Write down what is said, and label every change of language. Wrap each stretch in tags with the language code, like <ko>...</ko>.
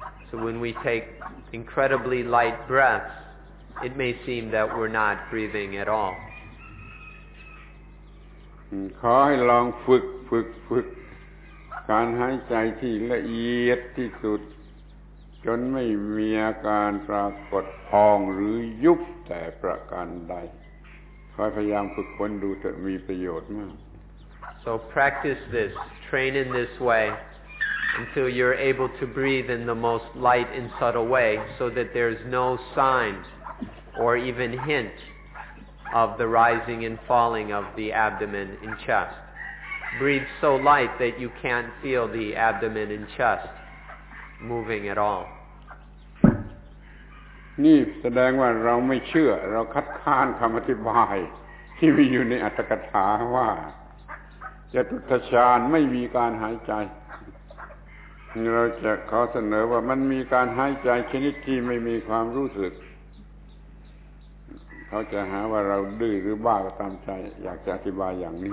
<en>So when we take incredibly light breaths, it may seem that we're not breathing at all.</en> <th>ขอให้ลองฝึกการหายใจที่ละเอียดที่สุดจนไม่มีอาการปรากฏพองหรือยุบแต่ประการใดคอยพยายามฝึกฝนดูจะมีประโยชน์มาก</th> <en>So practice this, train in this way until you're able to breathe in the most light and subtle way so that there's no sign or even hint of the rising and falling of the abdomen and chest. Breathe so light that you can't feel the abdomen and chest moving at all.</en> <th>นี่แสดงว่าเราไม่เชื่อเราคัดค้านคำอธิบายที่มีอยู่ในอรรถกถาว่าจตุตถฌานไม่มีการหายใจเราจะขอเสนอว่ามันมีการหายใจชนิดที่ไม่มีความรู้สึกเขาจะหาว่าเราดื้อหรือบ้าก็ตามใจอยากจะอธิบายอย่างนี</th>